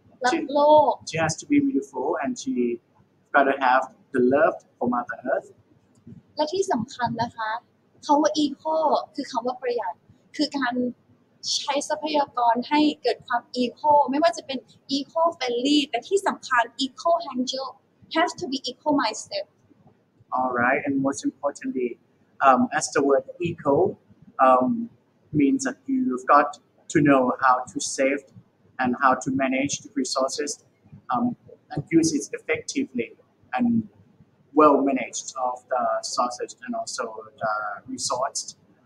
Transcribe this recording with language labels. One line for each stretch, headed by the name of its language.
English: she has to be beautiful and she got to have the love for Mother Earth.
Thai: และที่สำคัญนะคะคำว่า eco คือคำว่าประหยัดคือการใช้ทรัพยากรให้เกิดความ eco ไม่ว่าจะเป็น eco friendly แต่ที่สำคัญ
English: eco angel has to be eco mindset. Alright, and most importantly, as the word eco means that you've got to know how to save and how to manage the resources and use it effectively and well managed of the sources and also the resources.